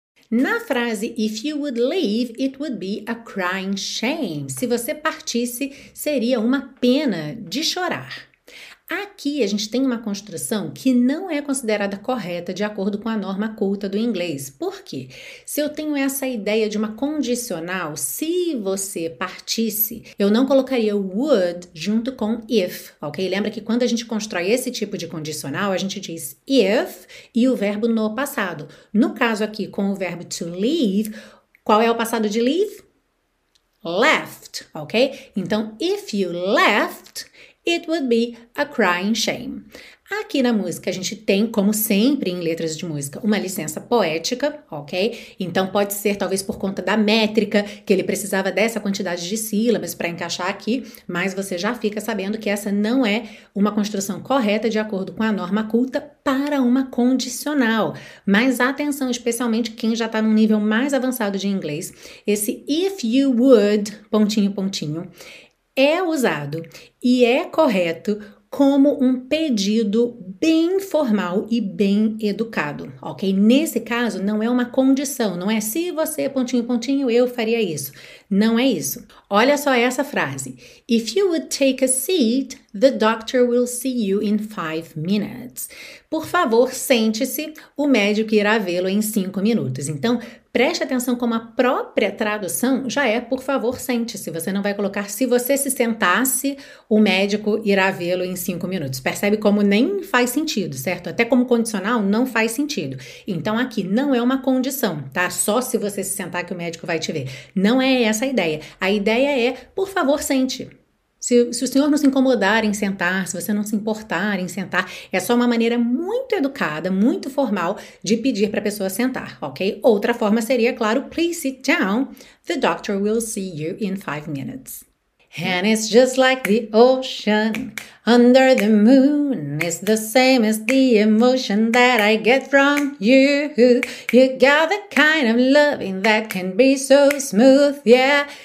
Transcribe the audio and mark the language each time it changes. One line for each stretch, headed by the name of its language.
Portuguese: Na frase,
English: if you would leave, it would be a crying shame.
Portuguese: Se você partisse, seria uma pena de chorar. Aqui a gente tem uma construção que não é considerada correta de acordo com a norma culta do inglês. Por quê? Se eu tenho essa ideia de uma condicional, se você partisse, eu não colocaria would junto com if, ok? Lembra que quando a gente constrói esse tipo de condicional, a gente diz if e o verbo no passado. No caso aqui, com o verbo to leave, qual é o passado de leave?
English: Left, ok?
Portuguese: Então,
English: if you left, it would be a crying shame.
Portuguese: Aqui na música, a gente tem, como sempre em letras de música, uma licença poética, ok? Então, pode ser, talvez, por conta da métrica, que ele precisava dessa quantidade de sílabas para encaixar aqui, mas você já fica sabendo que essa não é uma construção correta de acordo com a norma culta para uma condicional. Mas atenção, especialmente quem já está num nível mais avançado de inglês, esse if you would, pontinho, pontinho, é usado e é correto como um pedido bem formal e bem educado, ok? Nesse caso, não é uma condição, não é se você, pontinho, pontinho, eu faria isso. Não é isso. Olha só essa frase.
English: If you would take a seat, the doctor will see you in 5 minutes.
Portuguese: Por favor, sente-se, o médico irá vê-lo em 5 minutos. Então, preste atenção como a própria tradução já é, por favor, sente-se. Você não vai colocar, se você se sentasse, o médico irá vê-lo em 5 minutos. Percebe como nem faz sentido, certo? Até como condicional, não faz sentido. Então, aqui, não é uma condição, tá? Só se você se sentar que o médico vai te ver. Não é essa a ideia. A ideia é, por favor, sente. Se o senhor não se incomodar em sentar, se você não se importar em sentar, é só uma maneira muito educada, muito formal de pedir para a pessoa sentar, ok? Outra forma seria, claro,
English: please sit down, the doctor will see you in 5 minutes. And it's just like the ocean under the moon. It's the same as the emotion that I get from you. You got the kind of loving that can be so smooth, yeah.